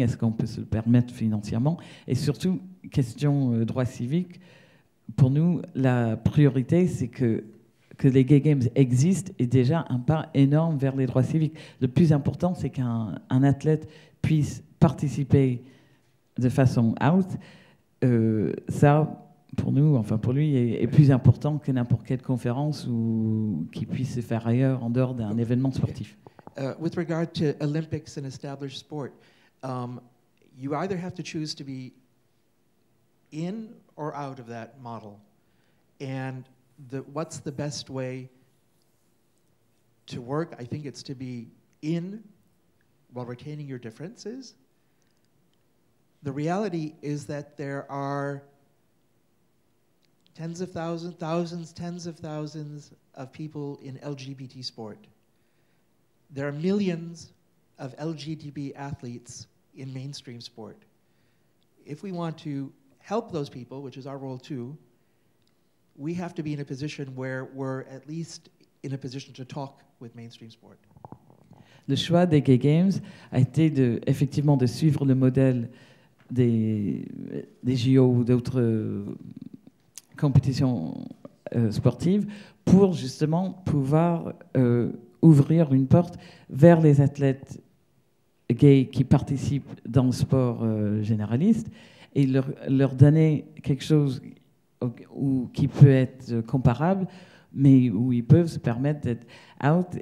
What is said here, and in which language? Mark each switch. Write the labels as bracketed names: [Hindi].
[French] Est-ce qu'on peut se le permettre financièrement? Et surtout, question droits civiques, pour nous, la priorité, c'est que les gay games existent est déjà un pas énorme vers les droits civiques. Le plus important, c'est qu'un athlète puisse participer de façon out. Ça, pour nous, enfin pour lui, est plus important que n'importe quelle conférence ou qu'il puisse se faire ailleurs en dehors d'un événement sportif. [English] With regard to Olympics and established sport, you either have to choose to be in or out of that model. And what's the best way to work? I think it's to be in while retaining your differences. The reality is that there are tens of thousands, tens of thousands of people in LGBT sport. There are millions of LGBT athletes in mainstream sport. If we want to help those people, which is our role too, we have to be in a position where we're at least in a position to talk with mainstream sport. [French] Le choix des Gay Games a été de, effectivement, de suivre le modèle des JO ou d'autres compétitions sportives pour justement pouvoir ouvrir une porte vers les athlètes gays qui participent dans le sport généraliste et leur donner quelque chose ou qui peut être comparable, mais où ils peuvent se permettre d'être out.